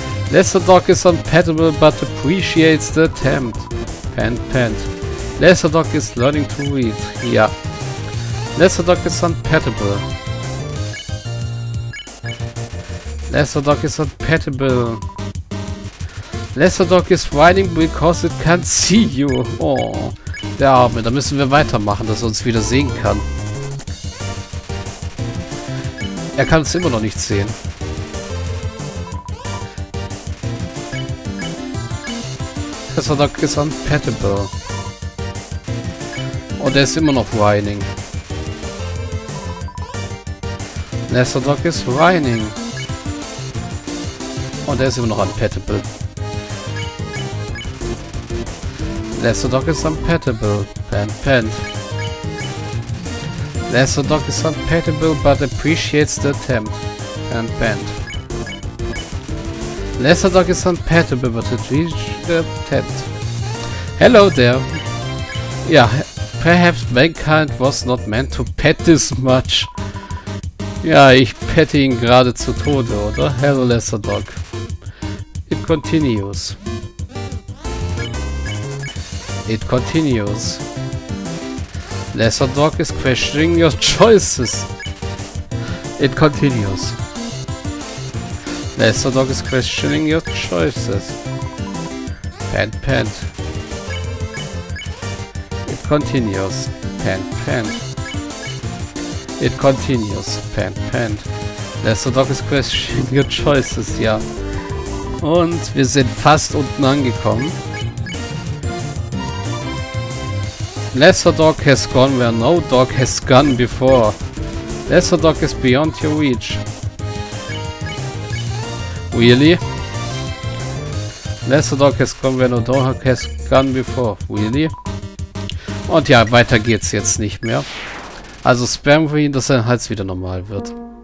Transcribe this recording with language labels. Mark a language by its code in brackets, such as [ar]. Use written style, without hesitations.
[en] Lesserdog is unpeddable but appreciates the attempt. Pant, pant. Lesserdog is learning to read. Ja. Lesserdog is unpeddable. Lesserdog is unpeddable. Lesserdog is whining because it can't see you. Oh. [de] Der Arme, da müssen wir weitermachen, dass er uns wieder sehen kann. Er kann es immer noch nicht sehen. [en] Lesserdog is unpeddable. [de] Und er ist immer noch whining. [en] Lesserdog is whining. [de] Und er ist immer noch unpeddable. [en] Lesserdog is unpeddable. Pant, pant. Lesserdog is unpeddable but appreciates the attempt. Pant, pant. Lesserdog is unpeddable but appreciates the attempt. Hello there. Ja, perhaps mankind was not meant to pet this much. [de] Ja, ich pette ihn gerade zu Tode, oder? [en] Hello, Lesserdog. It continues. It continues. Lesserdog is questioning your choices. It continues. Lesserdog is questioning your choices. Pant, pant. It continues. Pant, pant. It continues. Pant, pant. Lesserdog is questioning your choices, [de] ja. Und wir sind fast unten angekommen. [en] Lesserdog has gone where no dog has gone before. Lesserdog is beyond your reach. Really? Lesserdog has gone where no dog has gone before. Really? [de] Und ja, weiter geht's jetzt nicht mehr. Also spammen wir ihn, dass sein Hals wieder normal wird. Mhm.